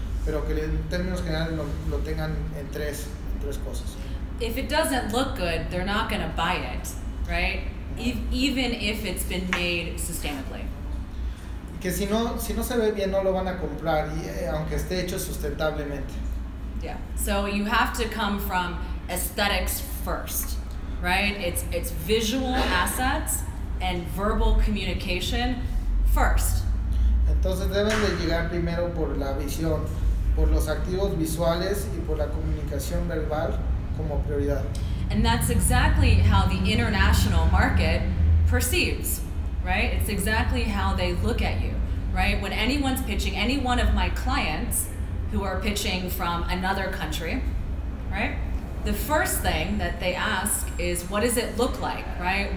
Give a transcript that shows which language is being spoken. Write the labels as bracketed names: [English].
[Spanish] Pero que en términos generales lo tengan en tres cosas. [English] If it doesn't look good, they're not going to buy it, right? Even if it's been made sustainably. [Spanish] Que si no se ve bien, no lo van a comprar, aunque esté hecho sustentablemente. [English] Yeah, so you have to come from aesthetics first, right? It's visual assets and verbal communication first. [Spanish] Entonces deben de llegar primero por la visión, por los activos visuales y por la comunicación verbal como prioridad. [English] And that's exactly how the international market perceives, right? It's exactly how they look at you, right? When anyone's pitching, any one of my clients who are pitching from another country, right? The first thing that they ask is, what does it look like, right?